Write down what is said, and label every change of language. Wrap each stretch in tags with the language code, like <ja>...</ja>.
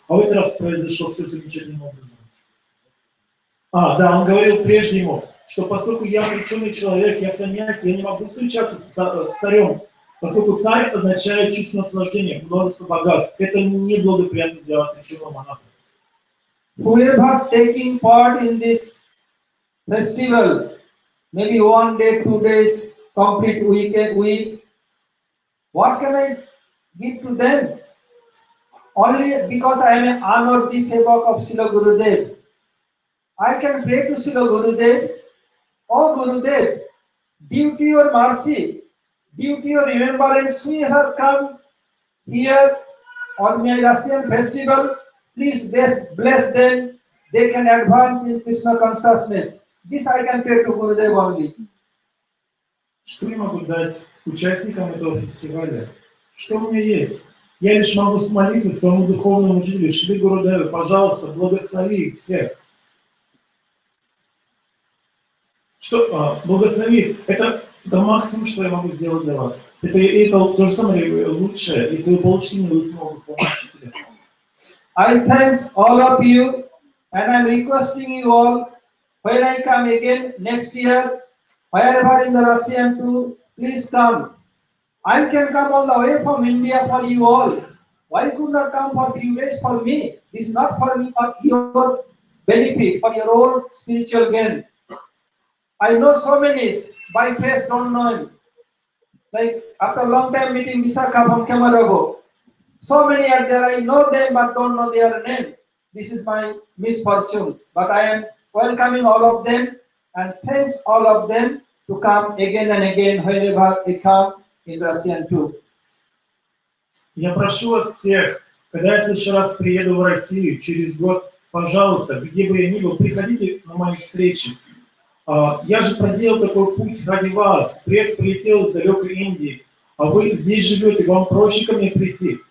<ru>А в этот раз произошло все замечательным образом. А, да, он говорил прежнему, что поскольку я обреченный человек, я саньяси, я не могу встречаться с царем, поскольку царь означает чувство наслаждения, множество богатств. Это неблагоприятно для отреченного монаха.</ru> <en>Whoever taking part in this festival, maybe one day, two days, complete week, what can I give to them? Only because I am an unworthy sevak of Srila Gurudev. I can pray to Srila Gurudev, oh Gurudev, due to your mercy, due to your remembrance, we have come here on my Russian festival. Please bless them. They can advance in Krishna consciousness. This I can pray to Gurudev only.</en> <ru>Что я могу дать участникам этого фестиваля? Что у меня есть? Я лишь могу молиться своему духовному учителю, Шри Гурудеву, пожалуйста, благослови их всех. Благослови их. Это максимум, что я могу сделать для вас. Это то же самое лучшее, если вы получите милостыню от духовного учителя.</ru> <en>I thanks all of you, and I'm requesting you all, when I come again next year, wherever in the Russian too, please come. I can come all the way from India for you all. Why could not come for few days for me? This is not for me, but your benefit, for your own spiritual gain. I know so many, by face don't know him. Like after long time meeting Visakha from Kamarabo. So many are there, I know them but don't know their name. This is my misfortune. But I am welcoming all of them. And thanks all of them to come again and again whenever they come in Russian too.</en> <ru>Я прошу вас всех, когда я в следующий раз приеду в Россию через год, пожалуйста, где бы я ни был, приходите на мои встречи. Я же проделал такой путь ради вас. Прилетел из далекой Индии, а вы здесь живете, вам проще ко мне прийти.</ru>